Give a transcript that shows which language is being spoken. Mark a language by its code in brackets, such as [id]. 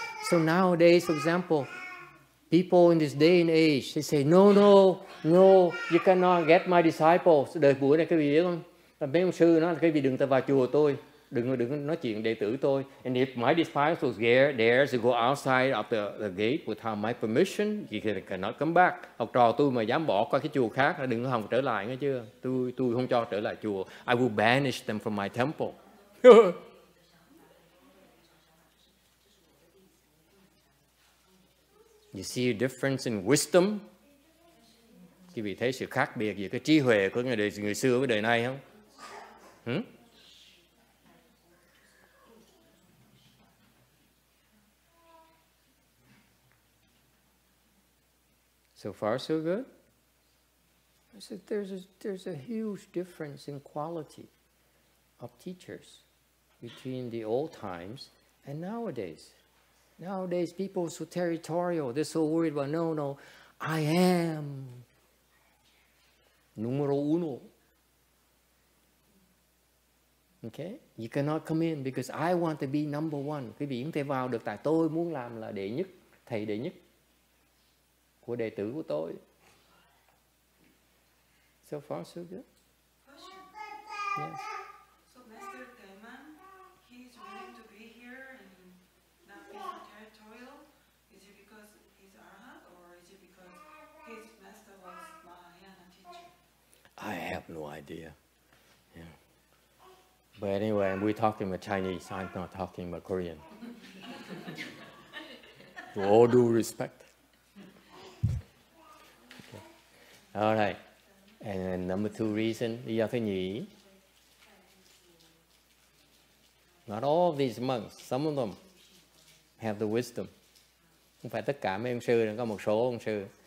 [en] So nowadays, for example, people in this day and age, they say, no, you cannot get my disciples. [vi] Đời buổi này, các vị biết không? Mấy ông sư nói là các vị đừng ta vào chùa tôi, đừng nói chuyện đệ tử tôi. [en] And if my disciples were there, they go outside of the gate without my permission, they cannot come back. [vi] Học trò tôi mà dám bỏ qua cái chùa khác, đừng hòng trở lại nghe chưa. Tôi không cho trở lại chùa. [en] I will banish them from my temple. You see a difference in wisdom? [vi] Các vị thấy sự khác biệt giữa cái trí huệ của người xưa với đời nay không? [en] So far, so good. I said there's a huge difference in quality of teachers between the old times And nowadays people are so territorial, they're so worried about, no, I am numero uno. Okay? You cannot come in because I want to be number one. [vi] Quý vị không thể vào được tại tôi muốn làm là đệ nhất, thầy đệ nhất của đệ tử của tôi. [en] So far, so good. Yes. So Master Daiman, he's willing to be here and not be so territorial. Is it because he's Arhat or is it because his master was Mahayana teacher? I have no idea. But anyway, we're talking about Chinese, I'm not talking about Korean. To all due respect. Okay. All right. And then number two reason, [vi] lý do thứ nhì. [en] Not all of these monks, some of them have the wisdom. [vi] Không phải tất cả mấy ông sư, có một số ông sư.